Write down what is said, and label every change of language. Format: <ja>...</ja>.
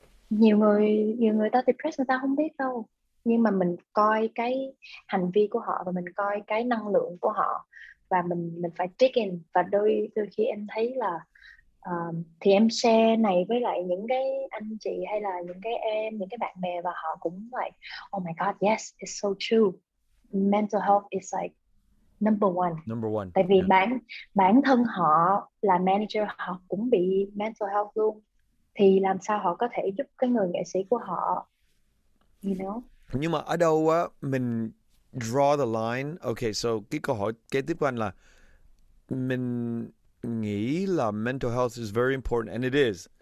<vi>Nhiều người ta depressed người ta không biết đâu. Nhưng mà mình coi cái hành vi của họ và mình coi cái năng lượng của họ, và mình phải</vi> <en>check in.</en> <vi>Và đôi khi em thấy là thì em</vi> <en>share</en> <vi>này với lại những cái anh chị hay là những cái em, những cái bạn bè, và họ cũng</vi> <en>like oh my god, yes, it's so true. Mental health is like number one. Number</en> <vi>Tại vì bản thân họ là manager, họ cũng bị mental health luôn, thì làm sao họ có thể giúp cái người nghệ sĩ của họ, Nhưng mà ở đâu á mình</vi> <en>draw the line? Okay, so</en> <vi>cái câu hỏi kế tiếp của anh là mình nghĩ là</vi> <en>mental health is very important and it is.</en>